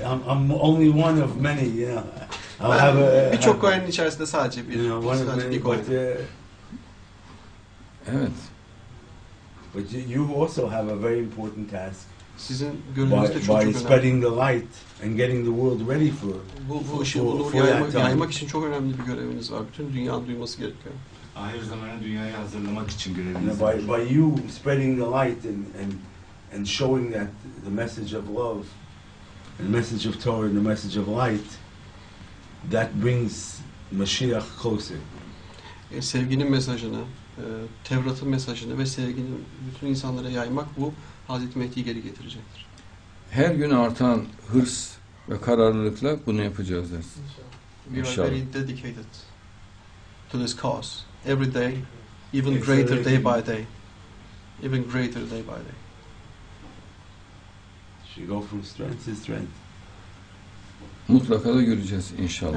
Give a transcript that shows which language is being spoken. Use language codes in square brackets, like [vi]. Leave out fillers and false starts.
[en] I'm only one of many. You know. [tr] Birçok Kohen'in içerisinde sadece bir. [en] You know, [tr] sadece bir Kohen. Evet. [en] But you also have a very important task. [tr] Sizin gönlünüzde çok önemli. By spreading the light and getting the world ready for. Bu ışığı nuru yaymak için çok önemli bir göreviniz var. Bütün dünyanın duyması gerekiyor. Ahir zamanı dünyayı hazırlamak için göreviniz. [en] And by you spreading the light and showing that the message of love, and the message of Torah, and the message of light, that brings Mashiach closer. [tr] Sevginin mesajını, Tevrat'ın mesajını ve sevgini bütün insanlara yaymak bu Hazreti Mehdi'yi geri getirecektir. Her gün artan hırs ve kararlılıkla bunu yapacağız dersin. [en] İnşallah. We are very dedicated to this cause. Every day, even greater day by day. Even greater day by day. She go from strength to strength. [tr] Mutlaka da göreceğiz inşallah.